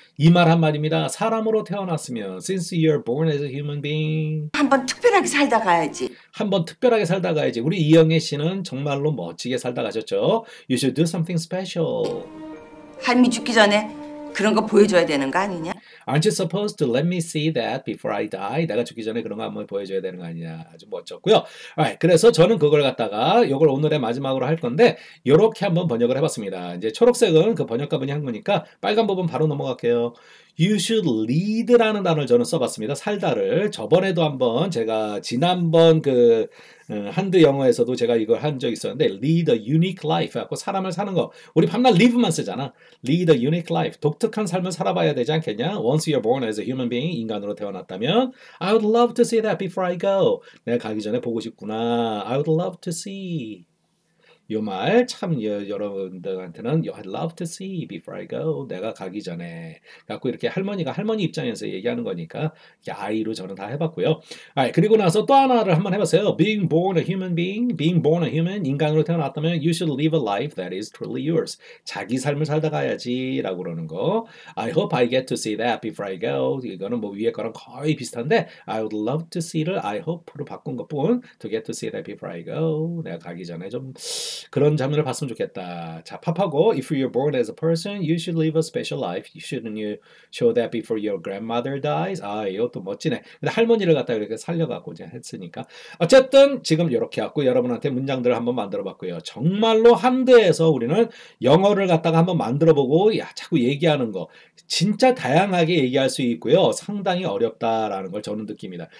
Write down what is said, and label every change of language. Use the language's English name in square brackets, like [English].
[Korean] 이 말 한마디입니다. 사람으로 태어났으면 [English] since you're born as a human being [Korean] 한번 특별하게 살다 가야지. 한번 특별하게 살다 가야지. 우리 이영애 씨는 정말로 멋지게 살다 가셨죠. [English] You should do something special. [Korean] 할미 죽기 전에 그런 거 보여줘야 되는 거 아니냐? [English] Aren't you supposed to let me see that before I die? [Korean] 내가 죽기 전에 그런 거 한번 보여줘야 되는 거 아니냐? 아주 멋졌고요. Alright, 그래서 저는 그걸 갖다가 이걸 오늘의 마지막으로 할 건데 이렇게 한번 번역을 해봤습니다. 이제 초록색은 그 번역가 분이 한 거니까 빨간 부분 바로 넘어갈게요. [English] You should lead [Korean] 라는 단어를 저는 써봤습니다. 살다를. 저번에도 한번 제가 지난번 그 한드 영어에서도 제가 이걸 한 적이 있었는데 [English] lead a unique life [Korean] 하고 사람을 사는 거. 우리 밤낮 live만 쓰잖아. [English] lead a unique life. [Korean] 독특한 삶을 살아봐야 되지 않겠냐? [English] Once you're born as a human being, [Korean] 인간으로 태어났다면 [English] I would love to see that before I go. [Korean] 내가 가기 전에 보고 싶구나. [English] I would love to see. [Korean] 이 말 참 여러분들한테는 [English] I'd love to see before I go. [Korean] 내가 가기 전에. 갖고 이렇게 할머니가 할머니 입장에서 얘기하는 거니까 야이로 저는 다 해봤고요. 아, 그리고 나서 또 하나를 한번 해봤어요. [English] Being born a human being, being born a human, [Korean] 인간으로 태어났다면 [English] you should live a life that is truly yours. [Korean] 자기 삶을 살다 가야지 라고 그러는 거. [English] I hope I get to see that before I go. [Korean] 이거는 뭐 위에 거랑 거의 비슷한데 [English] I would love to see [Korean] 를 I hope로 바꾼 것뿐 [English] to get to see that before I go. [Korean] 내가 가기 전에 좀... 그런 장면을 봤으면 좋겠다. 자, 팝하고 [English] If you're born as a person, you should live a special life. Shouldn't you show that before your grandmother dies? [Korean] 아, 이것도 멋지네. 근데 할머니를 갖다 이렇게 살려갖고 했으니까. 어쨌든 지금 이렇게 하고 여러분한테 문장들을 한번 만들어봤고요. 정말로 한대에서 우리는 영어를 갖다가 한번 만들어보고 야, 자꾸 얘기하는 거 진짜 다양하게 얘기할 수 있고요. 상당히 어렵다라는 걸 저는 느낍니다.